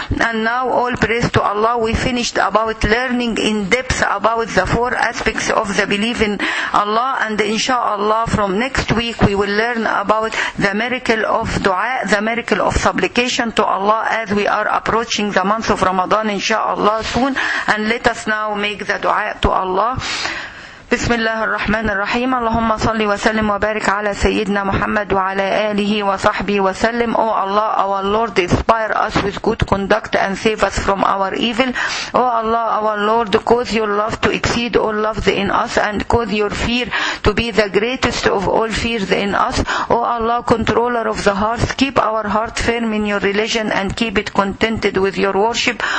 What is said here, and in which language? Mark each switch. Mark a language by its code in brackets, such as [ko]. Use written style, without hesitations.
[en] And now all praise to Allah. We finished about learning in depth about the four aspects of the belief in Allah, and inshallah from next week we will learn about the miracle of dua, the miracle of supplication to Allah, as we are approaching the month of Ramadan inshallah soon. And let us now make the dua to Allah. [ar] بسم الله الرحمن الرحيم اللهم صل وسلم وبارك على سيدنا محمد وعلى آله وصحبه وسلم. [en] O Allah, our Lord, inspire us with good conduct and save us from our evil. O Allah, our Lord, cause your love to exceed all loves in us, and cause your fear to be the greatest of all fears in us. O Allah, controller of the hearts, keep our heart firm in your religion and keep it contented with your worship.